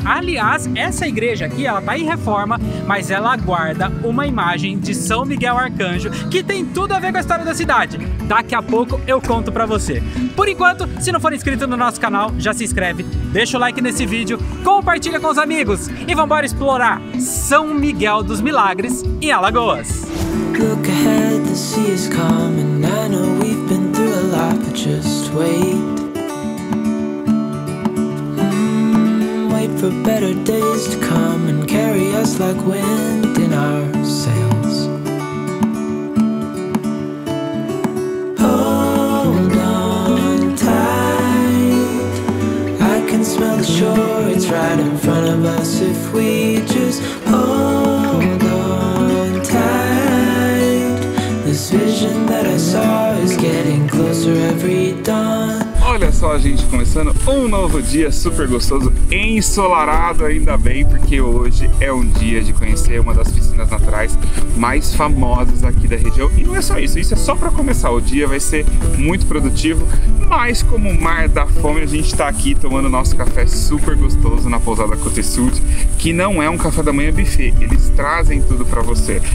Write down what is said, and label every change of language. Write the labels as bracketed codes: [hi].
[pt] Aliás, essa igreja aqui, ela tá em reforma, mas ela guarda uma imagem de São Miguel Arcanjo, que tem tudo a ver com a história da cidade. Daqui a pouco eu conto pra você. Por enquanto, se não for inscrito no nosso canal, já se inscreve, deixa o like nesse vídeo, compartilha com os amigos e vambora explorar São Miguel dos Milagres em Alagoas. [en] Look ahead, the sea is coming. I know we've been through a lot, but just wait. Wait for better days to come and carry us like wind in our sails. Hold on tight. I can smell the shore, it's right in front of us if we just hold on tight. This vision that I saw is getting closer every dawn. [pt] Olha só, a gente começando um novo dia super gostoso, ensolarado, ainda bem, porque hoje é um dia de conhecer uma das piscinas naturais mais famosas aqui da região. E não é só isso, isso é só para começar o dia, vai ser muito produtivo, mas como o mar dá fome, a gente está aqui tomando nosso café super gostoso na pousada Côte Sud, que não é um café da manhã buffet, eles trazem tudo para você.